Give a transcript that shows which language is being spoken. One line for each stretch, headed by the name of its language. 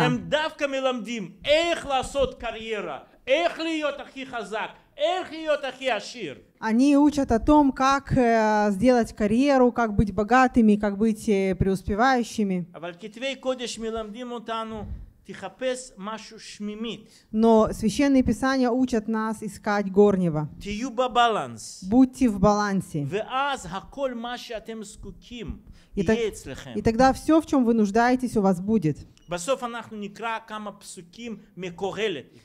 Hebrew: הם דווקא מלמדים איך לעשות קריירה, איך להיות הכי חזק, איך להיות הכי עשיר.
Russian: Они учат о том, как сделать карьеру, как быть богатыми, как быть преуспевающими.
Hebrew: אבל כתבי קודש מלמדים אותנו, תחפש משהו שמימי.
Russian: Но священные писания учат нас искать горнего.
Hebrew: תהיו בבלנס.
Russian: Будьте в балансе.
Hebrew: ואז הכל מה שאתם זקוקים יהיה אצלכם.
Russian: И тогда все, в чем вы нуждаетесь, у вас будет.
Hebrew: בסוף אנחנו נקרא כמה פסוקים מקהלת.